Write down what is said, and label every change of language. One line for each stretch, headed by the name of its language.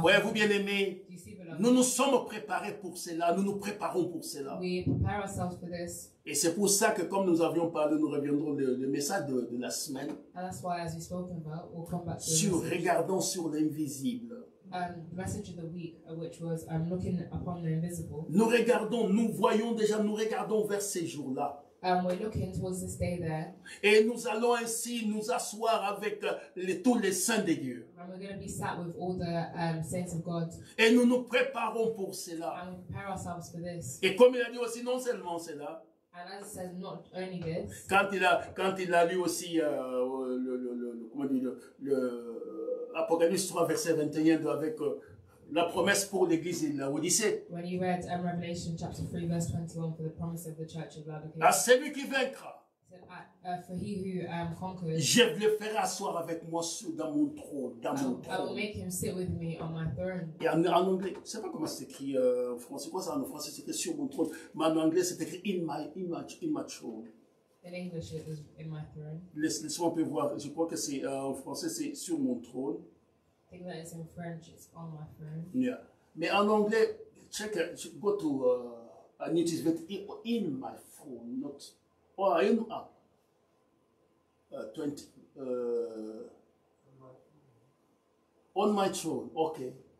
French: Voyez-vous bien aimé, nous nous sommes préparés pour cela. Nous nous préparons pour cela.
English: We prepare ourselves for this.
French: Et c'est pour ça que comme nous avions parlé, nous reviendrons le message de la semaine.
English: And that's why, as we spoke about, we'll come back to
French: sur regardant sur l'invisible.
English: The message of the week, which was looking upon the invisible.
French: Nous regardons, nous voyons déjà, nous regardons vers ces jours-là.
English: We're looking towards this day there.
French: Et nous allons ainsi nous asseoir avec tous les saints de Dieu.
English: And we're going to be sat with all the saints of God.
French: Et nous nous préparons pour cela.
English: And we prepare ourselves for this.
French: Et comme il a dit aussi, non seulement cela.
English: And as it says, not only this.
French: Quand il a lu aussi le Apocalypse 3 verset 21 avec la promesse pour l'église de l'Odyssée.
English: When you read Revelation chapter 3 verse 21 for the promise of the church of Laodicea.
French: À celui qui vaincra.
English: For he who conquers.
French: Je le ferai asseoir avec moi dans mon trône,
English: I will make him sit with me on my throne.
French: Et en anglais, je ne sais pas comment c'est écrit en français. Quoi ça en français? C'était sur mon trône. Mais en anglais, c'est écrit
English: in my throne. In English, it was in my throne.
French: Laisse-moi peut voir. Je crois que c'est en français, c'est sur mon trône.
English: I think that it's in French, it's on my phone. Yeah.
French: Mais en anglais,
English: check it, go to I need to put it in my phone, not or in 20 in my on my throne, okay.